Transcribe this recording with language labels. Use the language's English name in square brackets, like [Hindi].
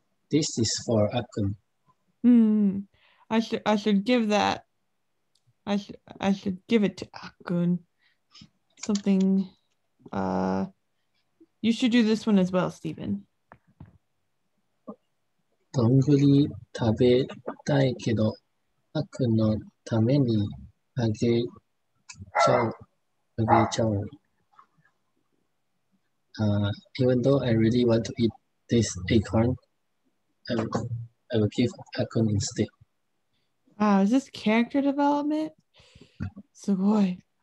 [English] This is for Akun. I should give it to Akun. Something you should do this one as well, Steven. [Japanese] どんぐり食べたいけど、あくんのためにあげちゃおう。 [English] Even though I really want to eat this acorn, I will give あくん instead. Wow, is this character development? すごい。